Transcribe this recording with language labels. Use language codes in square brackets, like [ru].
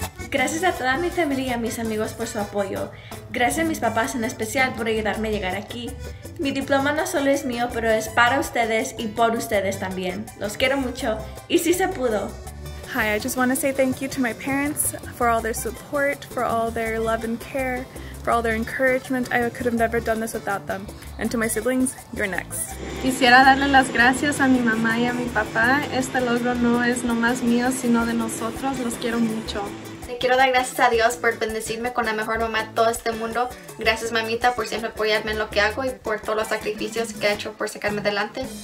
[es] Gracias a toda mi familia y a mis amigos por su apoyo. Gracias a mis papás en especial por ayudarme a llegar aquí. Mi diploma no solo es mío, pero es para ustedes y por ustedes también. Los quiero mucho. Y sí se pudo. [en] Hi, I just want to say thank you to my parents for all their support, for all their love and care, for all their encouragement. I could have never done this without them. And to my siblings, you're next. [es] Quisiera darle las gracias a mi mamá y a mi papá. Este logro no es nomás mío, sino de nosotros. Los quiero mucho. Quiero dar gracias a Dios por bendecirme con la mejor mamá de todo este mundo. Gracias, mamita, por siempre apoyarme en lo que hago y por todos los sacrificios que ha hecho por sacarme adelante.